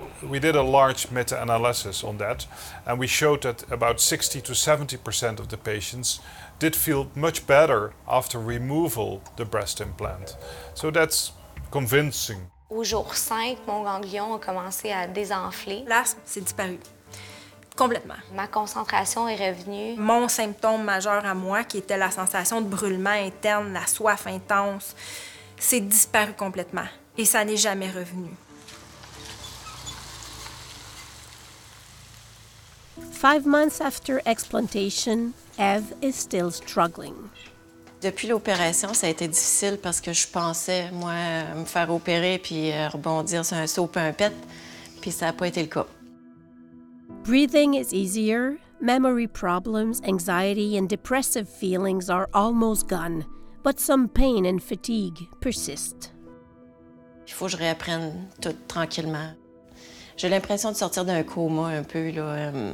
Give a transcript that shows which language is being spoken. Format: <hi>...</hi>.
<en>We did a large meta-analysis on that, and we showed that about 60 to 70% of the patients did feel much better after removal of the breast implant. So that's convincing.</en> <fr>Au jour 5, mon ganglion a commencé à désenfler. Là, c'est disparu. Complètement. Ma concentration est revenue. Mon symptôme majeur à moi, qui était la sensation de brûlement interne, la soif intense, c'est disparu complètement. Et ça n'est jamais revenu.</fr> <en>Five months after explantation, Eve is still struggling.</en> <fr>Depuis l'opération, ça a été difficile parce que je pensais, moi, me faire opérer puis rebondir sur un saut pimpette, puis ça n'a pas été le cas.</fr> <en>Breathing is easier, memory problems, anxiety and depressive feelings are almost gone, but some pain and fatigue persist.</en> <fr>Il faut que je réapprenne tout tranquillement. J'ai l'impression de sortir d'un coma un peu, là.</fr>